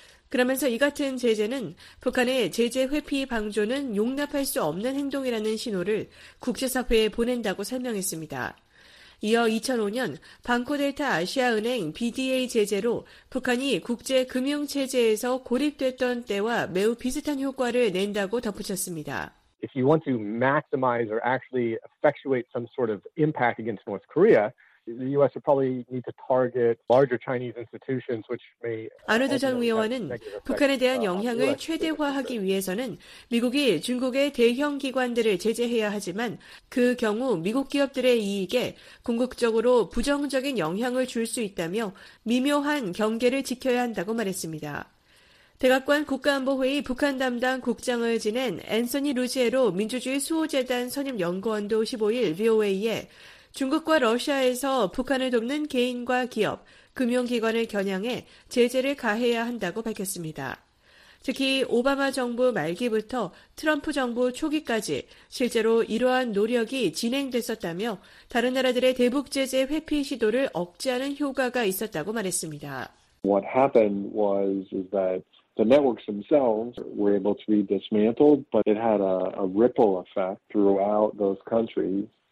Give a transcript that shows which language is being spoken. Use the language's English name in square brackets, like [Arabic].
[Korean] 그러면서 이 같은 제재는 북한의 제재 회피 방조는 용납할 수 없는 행동이라는 신호를 국제사회에 보낸다고 설명했습니다. 이어 2005년 방코델타 아시아은행 BDA 제재로 북한이 국제금융체제에서 고립됐던 때와 매우 비슷한 효과를 낸다고 덧붙였습니다. [English] If you want to maximize or actually effectuate some sort of impact against North Korea, the U.S. would probably need to target larger Chinese institutions, which may. [Korean] 아노드 전 위원은 북한에 대한 영향을 최대화하기 위해서는 미국이 중국의 대형 기관들을 제재해야 하지만 그 경우 미국 기업들의 이익에 궁극적으로 부정적인 영향을 줄 수 있다며 미묘한 경계를 지켜야 한다고 말했습니다. 대각관 국가안보회의 북한 담당 국장을 지낸 앤서니 루지에로 민주주의 수호재단 선임 연구원도 15일 VOA에. 중국과 러시아에서 북한을 돕는 개인과 기업, 금융기관을 겨냥해 제재를 가해야 한다고 밝혔습니다. 특히 오바마 정부 말기부터 트럼프 정부 초기까지 실제로 이러한 노력이 진행됐었다며 다른 나라들의 대북 제재 회피 시도를 억제하는 효과가 있었다고 말했습니다. [English] What happened was that the networks themselves were able to be dismantled, but it had a ripple effect throughout those countries.